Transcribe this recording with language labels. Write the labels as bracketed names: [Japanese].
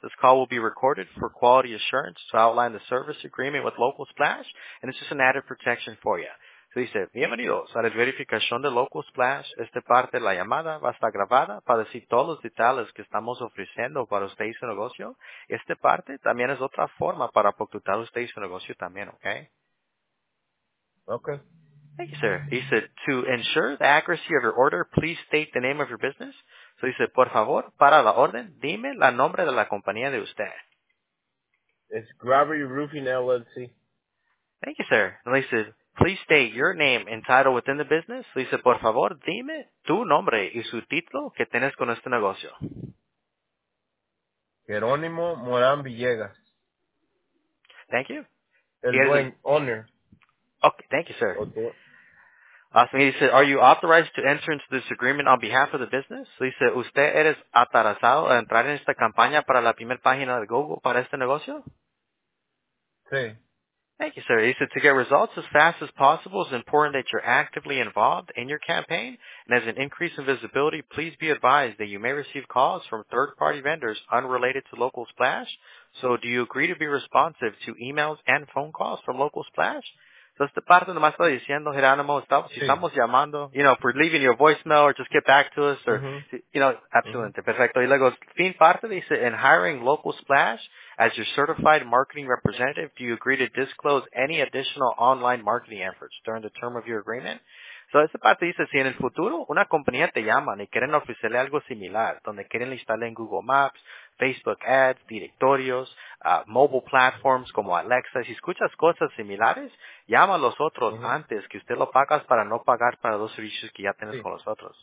[English] This call will be recorded for quality assurance to outline the service agreement with Local Splash, and it's just an added protection for you. [Spanish] So dice, bienvenidos a la verificación de Local Splash. Esta parte de la llamada va a estar grabada para decir todos los detalles que estamos ofreciendo para usted y su negocio. Esta parte también es otra forma para apoyar usted y su negocio también, ¿ok? [English] Ok. Thank you, sir. He said, to ensure the accuracy of your order, please state the name of your business. [Spanish] So dice, por favor, para la orden, dime el nombre de la compañía de usted. [English] It's Gravity Roofing LLC. Thank you, sir. And he said, please state your name and title within the business. [Spanish] So dice, por favor, dime tu nombre y su título que tienes con este negocio. Jerónimo Morán Villegas. [English] Thank you. [Spanish] El buen [English] owner. Okay, thank you, sir. Okay. Awesome. He said, are you authorized to enter into this agreement on behalf of the business? [Spanish] So dice, ¿usted eres autorizado a entrar en esta campaña para la primera página de Google para este negocio? Sí. [English] Thank you, sir. He said, to get results as fast as possible, it's important that you're actively involved in your campaign. And as an increase in visibility, please be advised that you may receive calls from third-party vendors unrelated to Local Splash. So do you agree to be responsive to emails and phone calls from Local Splash? [Spanish] So esta parte nomás estoy diciendo, Geronimo, si estamos llamando, [English] you know, if we're leaving your voicemail or just get back to us or, you know, absolutely. Perfecto. [Spanish] Y luego, fin parte dice, [English] in hiring Local Splash, as your certified marketing representative, do you agree to disclose any additional online marketing efforts during the term of your agreement? [Spanish] So esta parte dice, si en el futuro una compañía te llama y quieren ofrecerle algo similar, donde quieren listarle en Google Maps, Facebook ads, directorios, mobile platforms como Alexa. Si escuchas cosas similares, llama a los otros uh-huh. antes que usted lo pagas para no pagar para dos servicios que ya tienes sí. con los otros.